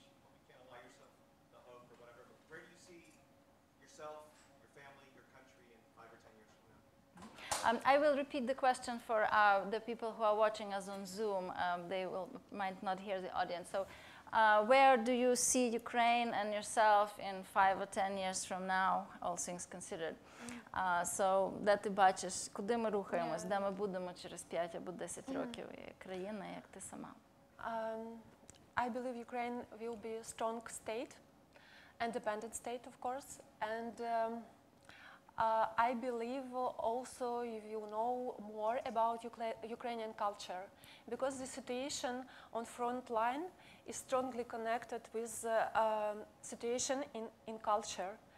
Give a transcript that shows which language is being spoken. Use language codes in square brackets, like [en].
[en] You can't allow yourself the hope or whatever. But where do you see yourself, your family, your country in 5 or 10 years from now? I will repeat the question for the people who are watching us on Zoom. They might not hear the audience. So, where do you see Ukraine and yourself in 5 or 10 years from now, all things considered? [uk] So, де ти бачиш, куди ми рухаємось, де ми будемо через 5 або 10 років, країна, як ти сама? [en] I believe Ukraine will be a strong state, independent state, of course, and I believe also you will know more about Ukrainian culture, because the situation on front line is strongly connected with the situation in culture.